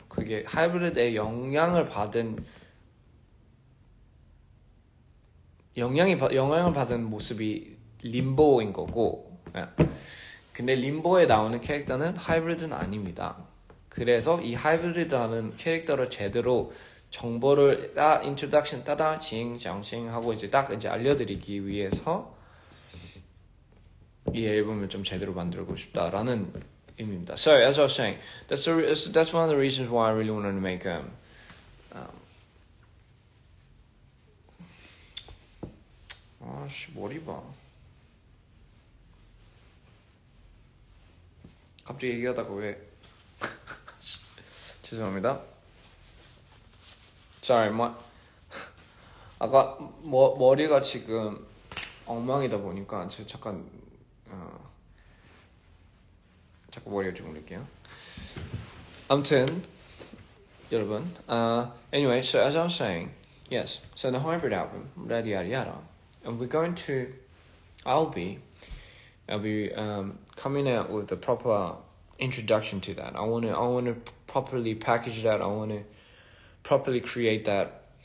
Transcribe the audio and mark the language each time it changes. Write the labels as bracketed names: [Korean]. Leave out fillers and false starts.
[Korean] 그게 하이브리드의 영향을 받은 모습이 림보인 거고 근데 림보에 나오는 캐릭터는 하이브리드는 아닙니다. 그래서 이 하이브리드라는 캐릭터를 제대로 정보를 딱 인트로덕션 따다 징장싱 하고 이제 딱 이제 알려드리기 위해서 이 앨범을 좀 제대로 만들고 싶다라는 의미입니다. [English] So as I was saying, that's one of the reasons why I really wanted to make him. [Korean] Oh, 머리 봐. 갑자기 얘기하다가 왜? 죄송합니다. Sorry, 아까 머리가 지금 엉망이다 보니까 제가 잠깐 머리를 좀 올릴게요. 아무튼 여러분, [English] anyway, so as I was saying, yes, so the hybrid album, Ready Yada Yada, and we're going to, I'll be coming out with a proper introduction to that. I want to properly package that. I want to properly create that.